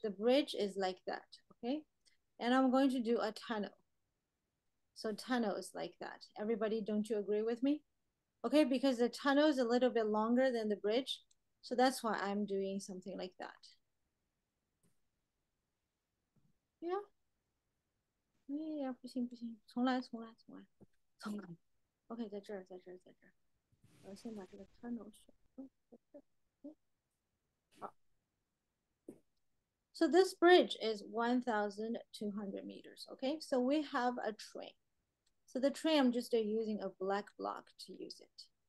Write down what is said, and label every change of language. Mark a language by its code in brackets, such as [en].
[en] The bridge is like that, okay? And I'm going to do a tunnel. So tunnel is like that. Everybody, don't you agree with me? Okay, because the tunnel is a little bit longer than the bridge. So that's why I'm doing something like that. Yeah. [zh] Yeah, 不行不行，重来重来重来重来。 Okay, 在这儿。我先把这个 tunnel 选。 [en] So this bridge is 1,200 meters. Okay, so we have a train. So the train, I'm just using a black block to use it.